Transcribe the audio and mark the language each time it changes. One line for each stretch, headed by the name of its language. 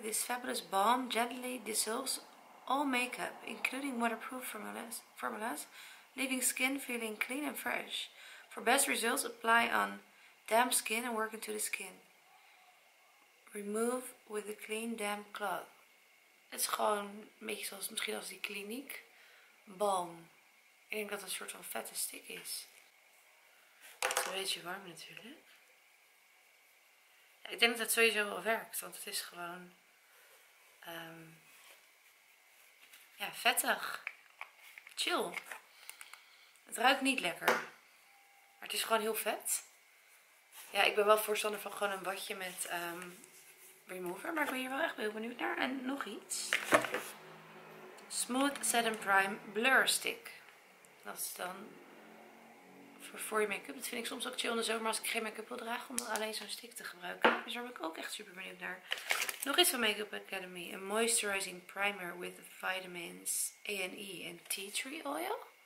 English: This fabulous balm gently dissolves all makeup, including waterproof formulas, leaving skin feeling clean and fresh. For best results, apply on damp skin and work into the skin. Remove with a clean damp cloth.
Dutch: Het is gewoon een beetje zoals misschien als die kliniek. Balm. Ik denk dat het een soort van vette stick is. Het is een beetje warm natuurlijk. Ja, ik denk dat het sowieso wel werkt. Want het is gewoon... ja, vettig. Chill. Het ruikt niet lekker. Maar het is gewoon heel vet. Ja, ik ben wel voorstander van gewoon een badje met remover. Maar ik ben hier wel echt heel benieuwd naar. En nog iets. Smooth Set and Prime Blur Stick. Dat is dan voor je make-up. Dat vind ik soms ook chill in de zomer als ik geen make-up wil dragen. Om alleen zo'n stick te gebruiken. Dus daar ben ik ook echt super benieuwd naar. Nog iets van Makeup Academy. Een
English: moisturizing primer with vitamins A&E
Dutch: en
English: tea tree oil.